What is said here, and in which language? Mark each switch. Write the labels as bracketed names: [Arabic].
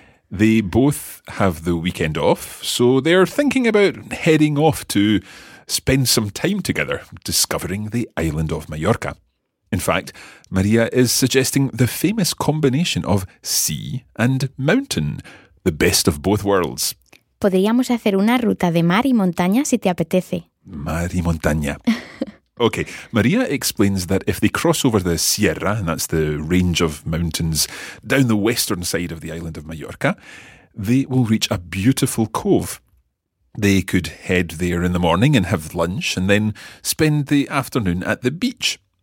[English] They both have the weekend off, so they're thinking about heading off to spend some time together, discovering the island of Mallorca. In fact, Maria is suggesting the famous combination of sea and mountain, the best of both worlds. [Spanish] Podríamos hacer una ruta de mar y montaña si te apetece. Mar y montaña. [English] Okay, Maria explains that if they cross over the Sierra, and that's the range of mountains down the western side of the island of Mallorca, they will reach a beautiful cove. They could head there in the morning and have lunch and then spend the afternoon at the beach.